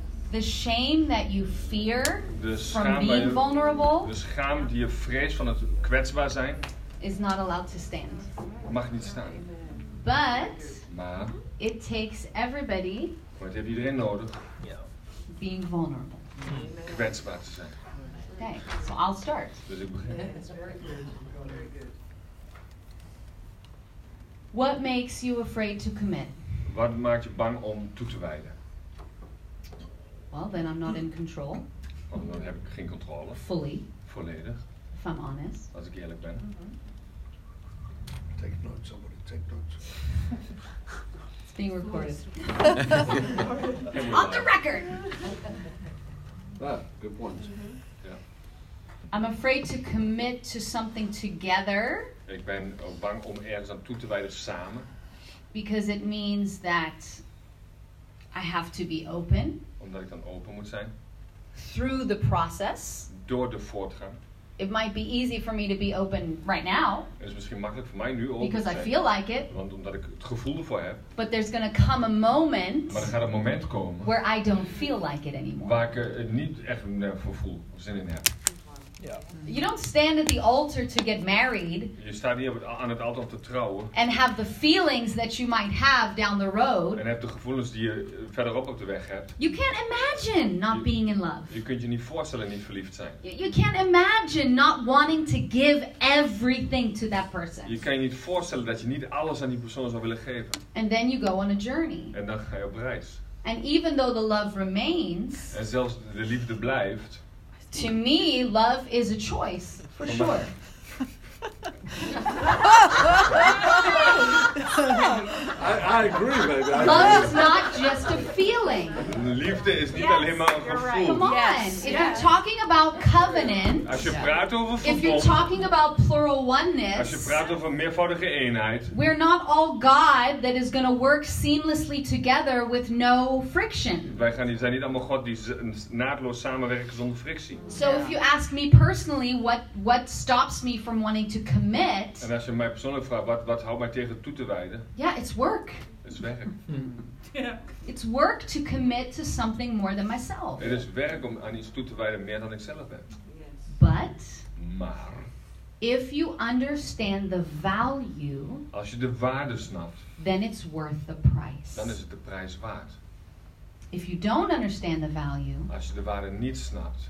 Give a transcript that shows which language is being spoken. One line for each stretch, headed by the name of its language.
English: The shame that you fear from being vulnerable,
Dutch: de schaam die je vreest van het kwetsbaar zijn,
English: is not allowed to stand.
Dutch: Mag niet staan.
English: But
Dutch: maar
English: it takes everybody.
Dutch: Wat heeft iedereen nodig?
English: Being vulnerable.
Dutch: Kwetsbaar te zijn.
English: Okay, so I'll start.
Dutch: Dus ik begin.
English: What makes you afraid to commit?
Dutch: Wat maakt je bang om toe te wijden?
English: Well, then I'm not in control.
Dutch: Want dan heb ik geen controle.
English: Fully.
Dutch: Volledig.
English: If I'm honest.
Dutch: Als ik eerlijk ben.
English: Mm-hmm. Take notes, somebody take notes. It's being recorded. On the record! Ah, good point. Mm-hmm. I'm afraid to commit to something together.
Dutch: Ik ben ook bang om ergens aan toe te wijden samen.
English: Because it means that I have to be open.
Dutch: Omdat ik dan open moet zijn.
English: Through the process.
Dutch: Door de voortgang.
English: It might be easy for me to be open right now.
Dutch: Het is misschien makkelijk voor mij nu open te zijn.
English: Because I feel like it.
Dutch: Want omdat ik het gevoel ervoor heb.
English: But there's going to come a moment.
Dutch: Maar er gaat een moment komen.
English: Where I don't feel like it anymore.
Dutch: Waar ik het niet echt meer voor voel of zin in heb.
English: Yeah. You don't stand at the altar to get married.
Dutch: Je staat niet aan het altaar om te trouwen.
English: And have the feelings that you might have down the road.
Dutch: En heb de gevoelens die je verderop op de weg hebt.
English: You can't imagine not being in love.
Dutch: Je kunt je niet voorstellen niet verliefd zijn.
English: You can't imagine not wanting to give everything to that person.
Dutch: Je kan je niet voorstellen dat je niet alles aan die persoon zou willen geven.
English: And then you go on a journey.
Dutch: En dan ga je op reis.
English: And even though the love remains.
Dutch: En zelfs de liefde blijft.
English: To me, love is a choice, for sure. I agree, baby. Love is not just a feeling.
Dutch: Liefde is niet alleen maar een gevoel.
English: Come on, if you're talking about covenant,
Dutch: als je praat over verbond,
English: if you're talking about plural oneness,
Dutch: als je praat over meervoudige eenheid,
English: we're not all God that is going to work seamlessly together with no friction.
Dutch: Wij zijn niet allemaal God die naadloos samenwerken zonder frictie.
English: So if you ask me personally, what stops me from wanting to commit.
Dutch: En als je mij persoonlijk vraagt, wat houdt mij tegen toe te wijden?
English: Yeah, it's work.
Dutch: Het is werk.
English: Yeah. It's work to commit to something more than myself.
Dutch: Het is werk om aan iets toe te wijden meer dan ik zelf ben.
English: But
Dutch: maar
English: if you understand the value,
Dutch: als je de waarde snapt,
English: then it's worth the price.
Dutch: Dan is het de prijs waard.
English: If you don't understand the value,
Dutch: als je de waarde niet snapt,